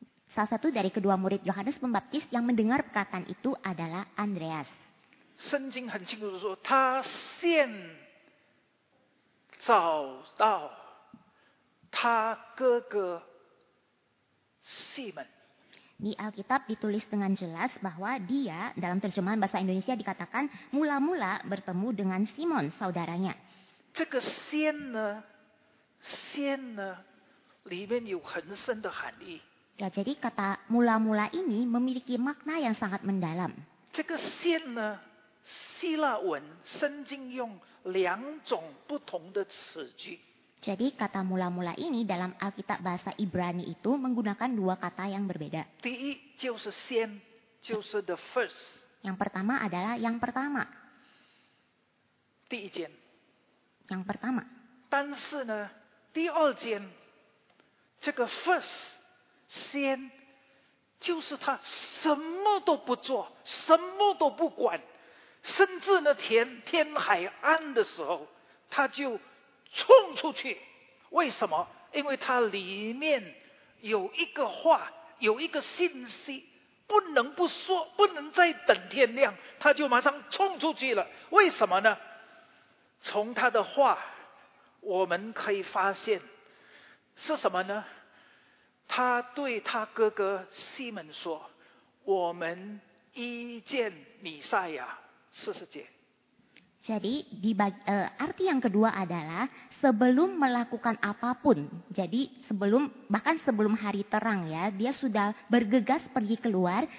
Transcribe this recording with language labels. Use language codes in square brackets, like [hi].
[id] Salah satu dari kedua murid Yohanes Pembaptis yang mendengar perkataan itu adalah Andreas. [zh] 圣经很清楚说，他先找到。他哥哥西门。 [id] Di Alkitab ditulis dengan jelas bahwa dia dalam terjemahan bahasa Indonesia dikatakan mula-mula bertemu dengan Simon saudaranya. [zh] 这个先呢，先呢，里面有很深的含义。 [id] Ya, jadi kata mula-mula ini memiliki makna yang sangat mendalam. [zh] 这个先呢，希腊文圣经用两种不同的词句。 [id] Jadi kata mula-mula ini dalam Alkitab bahasa Ibrani itu menggunakan dua kata yang berbeda. Yang pertama adalah yang pertama. Yang pertama. [zh] 但是呢，第二件，这个 first 先，就是他什么都不做，什么都不管，甚至呢天还暗的时候，他就。冲出去，为什么？因为它里面有一个话，有一个信息，不能不说，不能再等天亮，他就马上冲出去了。为什么呢？从他的话，我们可以发现，是什么呢？他对他哥哥西门说：“我们一见弥赛亚。” 四十节。 [id] Jadi arti yang kedua adalah sebelum melakukan apapun, jadi sebelum hari terang ya, dia sudah bergegas pergi keluar.